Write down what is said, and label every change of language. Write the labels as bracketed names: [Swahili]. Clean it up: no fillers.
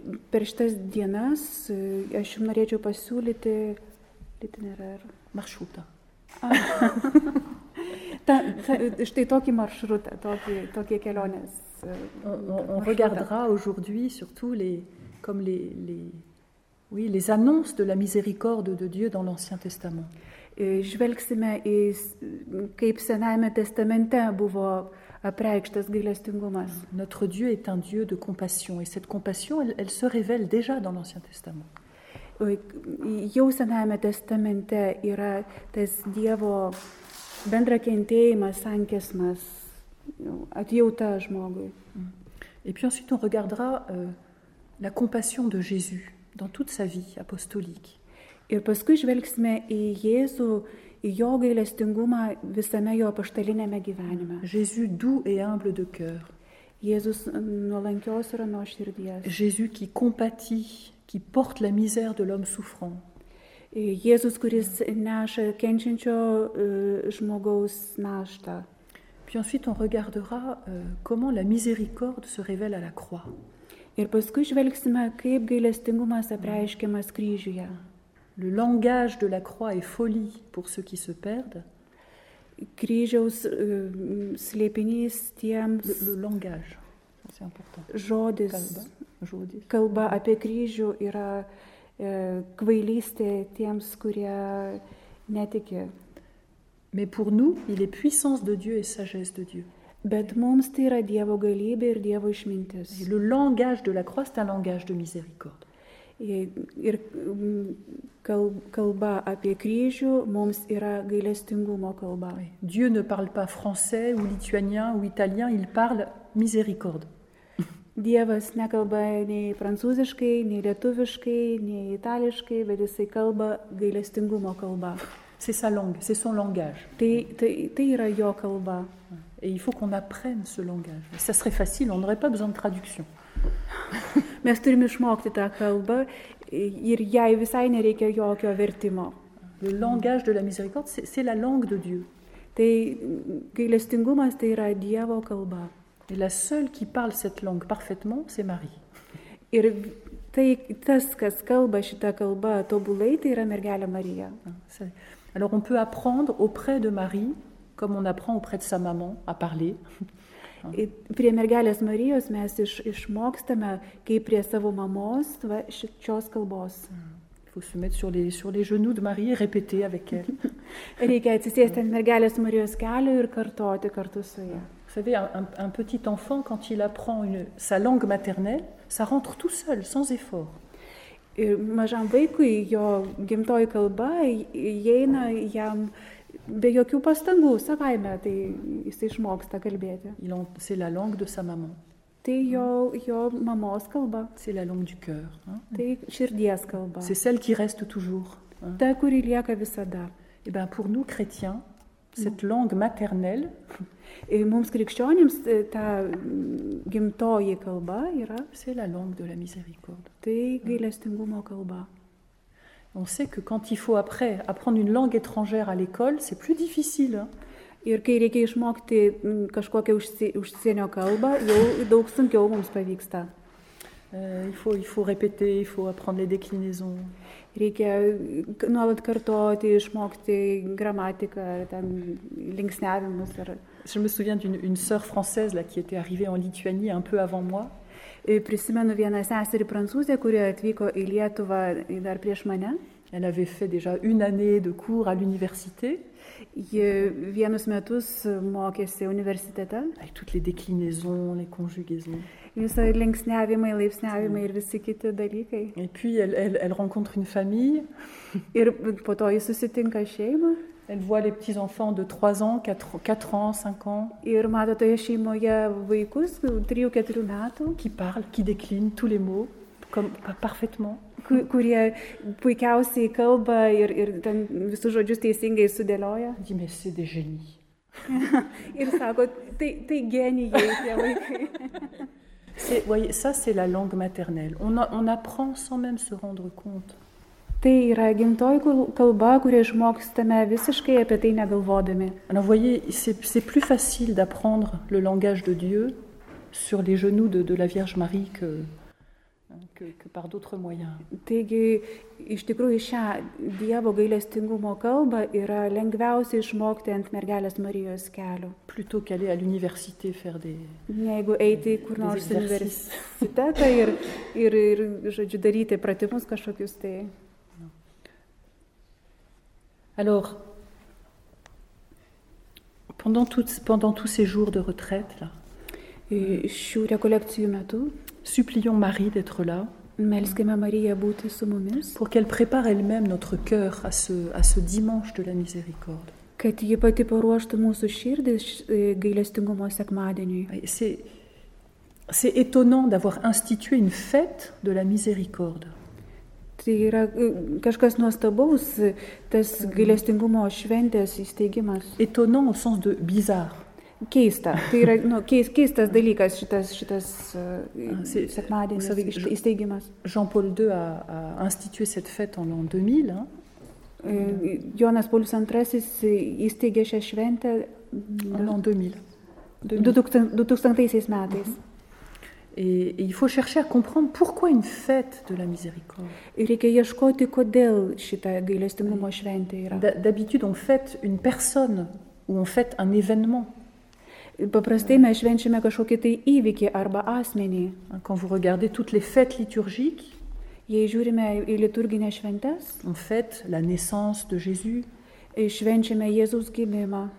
[Lithuanian] Per šitas dienas aš jums norėčiau pasiūlyti l'itinéraire. Maršrutą. Štai tokį maršrutą, tokį kelionės. [French] On regardera aujourd'hui surtout les annonces de la miséricorde de Dieu dans l'Ancien Testament. [Lithuanian] Žvelgsime į, kaip Senajame Testamente buvo apreikštas gailestingumas. [French] Notre Dieu est un Dieu de compassion et cette compassion elle se révèle déjà dans l'Ancien Testament. [Lithuanian] Jau Senajame Testamente yra tas Dievo bendrakentėjimas, sankesmas. Atjauta žmogui. [French] Et puis ensuite on regardera la compassion de Jésus dans toute sa vie apostolique. [Lithuanian] Ir paskui žvelgsime į Jėzų, į jo gailestingumą visame jo apaštalinėme gyvenime. [French] Jésus doux et humble de cœur. [Lithuanian] Jėzus nuolankios ir nuoširdies. [French] Jésus qui compatit, qui porte la misère de l'homme souffrant. [Lithuanian] Jėzus, kuris neša kenčiančio žmogaus naštą. [French] Puis ensuite, on regardera comment la miséricorde se révèle à la croix. [Lithuanian] Ir paskui žvelgsime, kaip gailestingumas apreiškiamas kryžiuje. [French] Le langage de la croix est folie pour ceux qui se perdent. [Lithuanian] Kryžiaus slėpinys tiems. [French] Le langage, c'est important. [Lithuanian] Žodis. Žodis. Kalba apie kryžių yra kvailystė tiems, kurie netiki. [French] Mais pour nous, il est puissance de Dieu et sagesse de Dieu. [Lithuanian] Bet mums tai yra Dievo galybė ir Dievo išmintis. [French] Et le langage de la croix, c'est un langage de miséricorde. [Lithuanian] Ir kalba apie kryžių, mums yra gailestingumo kalba. [French] Oui. Dieu ne parle pas français ou lituanien ou italien, il parle miséricorde. [Lithuanian] Dievas nekalba nei prancūziškai, nei lietuviškai, nei itališkai, bet jisai kalba gailestingumo kalba. [French] C'est sa langue, c'est son langage. [Lithuanian] Tai yra jo kalba. [French] Et il faut qu'on apprenne ce langage. Ça serait facile, on n'aurait pas besoin de traduction. [Lithuanian] Mes turime išmokti tą kalbą ir jai visai nereikia jokio vertimo. [French] Le langage de la miséricorde, c'est la langue de Dieu. [Lithuanian] Tai gailestingumas, tai yra Dievo kalba. [French] Et la seule qui parle cette langue parfaitement, c'est Marie. [Lithuanian] Ir tai tas, kas kalba šitą kalbą tobulai, tai yra mergelė Marija. [French] Alors on peut apprendre auprès de Marie, comme on apprend auprès de sa maman, à parler. [Lithuanian] Et prie mergelės Marijos mes išmokstame, kaip prie savo mamos, va, šios kalbos. [French] Il faut se mettre sur les genoux de Marie et répéter avec elle. [Lithuanian] Reikia atsisėsti ant mergelės Marijos kelių ir kartoti kartu su ja. [French] Vous savez, un petit enfant, quand il apprend sa langue maternelle, ça rentre tout seul, sans effort. [Lithuanian] Ir mažam vaikui jo gimtoji kalba įeina jam be jokių pastangų, savaime, tai jis išmoksta kalbėti. [French] C'est la langue de sa maman. [Lithuanian] Tai jo mamos kalba. [French] C'est la langue du cœur. [Lithuanian] Tai širdies kalba. [French] C'est celle qui reste toujours. [Lithuanian] Ta, kuri lieka visada. [French] Et bien, pour nous, chrétiens, cette langue maternelle. [Lithuanian] Et mums krikščionims ta gimtoji kalba yra. [French] C'est la langue de la miséricorde. [Lithuanian] Tai gailestingumo kalba. [French] On sait que quand il faut après apprendre une langue étrangère à l'école, c'est plus difficile. [Lithuanian] Ir kai reikia išmokti kažkokią užsienio kalbą, jau daug sunkiau mums pavyksta. [French] Il faut répéter, il faut apprendre les déclinaisons. [Lithuanian] Reikia nuolat kartoti, išmokti gramatiką, ten linksniavimus. [French] Je me souviens d'une sœur française là, qui était arrivée en Lituanie un peu avant moi. [Lithuanian] Et prisimenu vieną seserį prancūzę, kuri atvyko į Lietuvą dar prieš mane. [French] Elle avait fait déjà une année de cours à l'université. [Lithuanian] Ji vienus metus mokėsi universitete. [French] Avec toutes les déclinaisons, les conjugaisons. [Lithuanian] Visai linksniavimai, laipsniavimai ir visi kiti dalykai. [French] Et puis elle rencontre une famille. [Lithuanian] Ir po to ji susitinka šeimą. [French] Elle voit les petits enfants de 3 ans, 4 ans, 5 ans. [Lithuanian] Ir mato toje šeimoje vaikus 3-4 metų. [French] Qui parlent, qui déclinent tous les mots. Comme parfaitement. [Lithuanian] Kurie puikiausiai kalba ir ten visus žodžius teisingai sudėlioja. [French] Dimesi de génie. [Lithuanian] Ir sako, tai genijai tie vaikai. [French] C'est, voyez, ça c'est la langue maternelle. On apprend sans même se rendre compte. [Lithuanian] Tai yra gimtoji kalba, kurią išmokstame visiškai apie tai negalvodami. [French] Alors voyez, c'est plus facile d'apprendre le langage de Dieu sur les genoux de la Vierge Marie que par d'autres moyens. [Lithuanian] Taigi, iš tikrųjų, šią Dievo gailestingumo kalbą yra lengviausia išmokti ant mergelės Marijos kelių. [French] Plutôt qu'aller à l'université faire des... [Lithuanian] Jeigu eiti kur nors į universitetą ir, žodžiu, daryti pratimus kažkokius, tai... [French] Alors, pendant tous ces jours de retraite, là, [Lithuanian] Šių rekolekcijų metu, [French] supplions Marie d'être là, [Lithuanian] melskime Mariją būti su mumis, [French] pour qu'elle prépare elle-même notre cœur à ce dimanche de la miséricorde. [Lithuanian] Kad ji pati paruoštų mūsų širdį gailestingumo sekmadieniui. [French] C'est étonnant d'avoir institué une fête de la miséricorde. [Lithuanian] Tai yra kažkas nuostabaus, tas gailestingumo šventės įsteigimas. Étonnant au sens de bizarre. Keista. Tai yra keistas dalykas šitas sekmadienis įsteigimas. [French] Jean-Paul II a institué cette fête en l'an 2000. Hein? [Lithuanian] Jonas Paulius II įsteigė šią šventę [French] en l'an 2000. [Lithuanian] 2000 metais. Mm-hmm. [French] Et il faut chercher à comprendre pourquoi une fête de la miséricorde. [Lithuanian] Ir reikia ieškoti, kodėl šita gailestingumo šventė yra. [French] D'habitude, on fête une personne ou on fête un événement. [Lithuanian] Paprastai mes švenčiame kažkokį tai įvykį arba asmenį. [French] Quand vous regardez toutes les fêtes liturgiques, [Lithuanian] jei žiūrime į liturginę šventes, [French] on fête la naissance de Jésus. [Lithuanian] Et švenčiame Jėzaus gimimą.